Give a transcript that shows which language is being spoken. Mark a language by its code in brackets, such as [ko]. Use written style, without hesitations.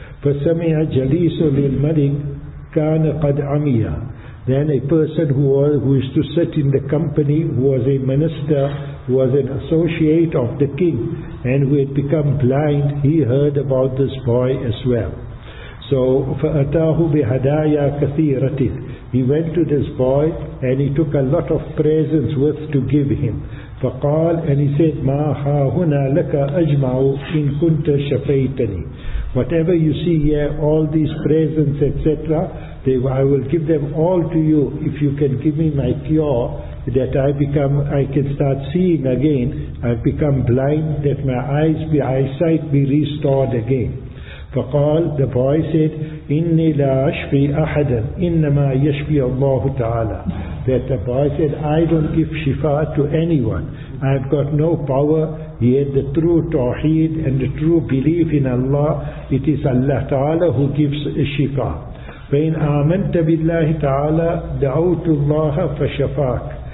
[ar] فَسَمِعَ جَلِيسُ لِلْمَلِكِ كَانَ قَدْ عَمِيَا. [en] Then a person who used to sit in the company, who was a minister, who was an associate of the king, and who had become blind, he heard about this boy as well. So [ar] فَأَتَاهُ بِهَدَايَا كَثِيرَةٍ. [en] He went to this boy and he took a lot of presents with to give him. [ar] فَقَالَ, [en] and he said, [ar] مَا هَاهُنَا لَكَ أَجْمَعُ إِن كُنْتَ شَفَيْتَنِي. [en] Whatever you see here, all these presents, etc., I will give them all to you if you can give me my cure, that I can start seeing again, I become blind, that my eyesight be restored again. [ar] فقال, [en] the boy said, [ar] إِنِّي لَا أَشْفِي أَحَدًا إِنَّمَا يَشْفِي اللَّهُ تَعَالَى. [en] That the boy said, "I don't give shifa to anyone. I've got no power." He had the true tawheed and the true belief in Allah. It is Allah Ta'ala who gives shifa. [ar] فَإِنْ آمَنْتَ بِاللَّهِ تَعَالَى دَعَوْتُ اللَّهَ فَشَفَاكَ.